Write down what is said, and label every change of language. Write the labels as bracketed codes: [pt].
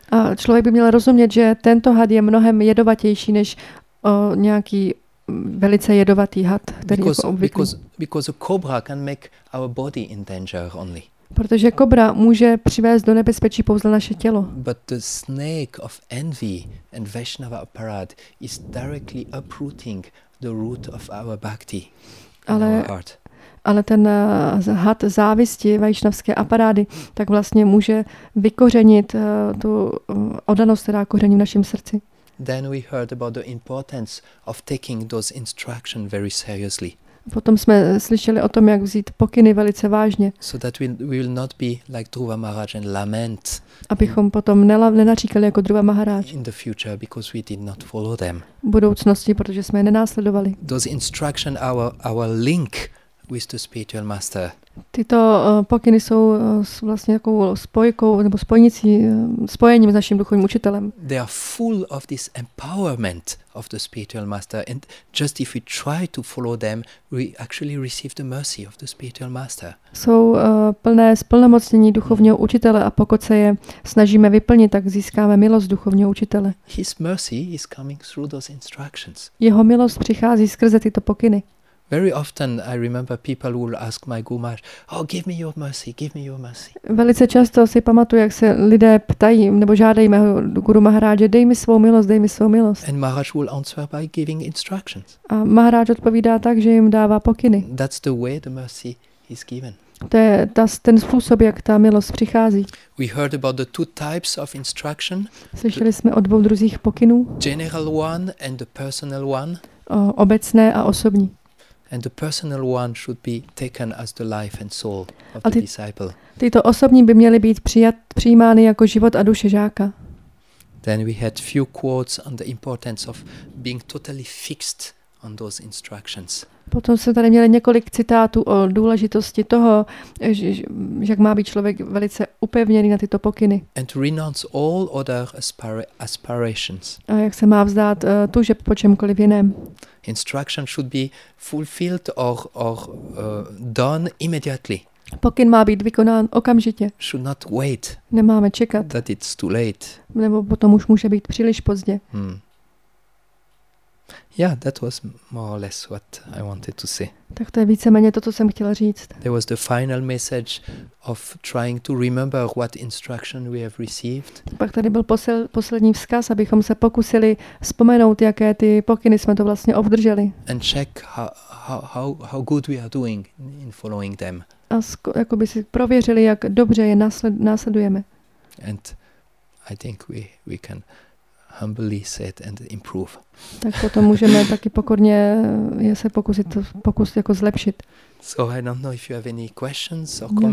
[cs] A člověk by měl rozumět, že tento had je mnohem jedovatější než nějaký velice jedovatý had, který je obvyklý. [en] Because a cobra can make our body in danger only. [cs] Protože kobra může přivést do nebezpečí pouze naše tělo. [en] But the snake of envy and Vaishnava apparat is directly uprooting the root of our bhakti. [cs] Ale ten had závisti vaišnavské aparády tak vlastně může vykořenit tu oddanost, která koření v našem srdci. [en] Then we heard about the importance of taking those instructions very seriously. [cs] Potom jsme slyšeli o tom, jak vzít pokyny velice vážně. [en] So that we will not be like Dhruva Maharaj and lament. [cs] Abychom potom nenaříkali jako Dhruva Maharaj. [en] In the future, because we did not follow them. [cs] V budoucnosti, protože jsme je nenásledovali. [en] Those instructions are our link with the spiritual master. [cs] Tyto pokyny jsou vlastně takovou spojkou nebo spojnicí, spojením s naším duchovním učitelem. [en] They are full of this empowerment of the spiritual master, and just if we try to follow them, we actually receive the mercy of the spiritual master. [cs] Jsou plné splnomocnění duchovního učitele a pokud se je snažíme vyplnit, tak získáme milost duchovního učitele. [en] His mercy is coming through those instructions. [cs] Jeho milost přichází skrze tyto pokyny. [en] Very often I remember people will ask my guru Maharaj, "Oh, give me your mercy, give me your mercy." [cs] Velice často si pamatuju, jak se lidé ptají nebo žádají mého guru Maharaje, dej mi svou milost, dej mi svou milost. [en] And Maharaj will answer by giving instructions. [cs] A Maharaj odpovídá tak, že jim dává pokyny. [en] That's the way the mercy is given. [cs] To je ten způsob, jak ta milost přichází. [en] We heard about the two types of instruction. [cs] Slyšeli jsme o dvou druzích pokynů. [en] General one and the personal one. [cs] Obecné a osobní. [en] And the personal one should be taken as the life and soul of the disciple. [cs] Tyto osobní by měly být přijímány jako život a duše žáka. [en] Then we had few quotes on the importance of being totally fixed on those instructions. [cs] Potom jsme tady měli několik citátů o důležitosti toho, že jak má být člověk velice upevněný na tyto pokyny. [en] And to renounce all other aspirations. [cs] A jak se má vzdát tužeb po čemkoliv jiném. [en] Instruction should be fulfilled or done immediately. [cs] Pokyn má být vykonán okamžitě. [en] Should not wait. [cs] Nemáme čekat. [en] That it's too late. [cs] Nebo potom už může být příliš pozdě. Hmm. [en] Yeah, that was more or less what I wanted to say. [cs] Tak to je víceméně to, co jsem chtěla říct. [en] There was the final message of trying to remember what instruction we have received. [cs] Pak tady byl poslední vzkaz, abychom se pokusili vzpomenout, jaké ty pokyny jsme to vlastně obdrželi. [en] And check how good we are doing in following them. [cs] A jakoby si prověřili, jak dobře je následujeme. [en] And I think we can humbly say it and improve. [cs] Tak potom můžeme taky pokorně se pokusit jako zlepšit. [en] So I don't know if you have any questions or comments.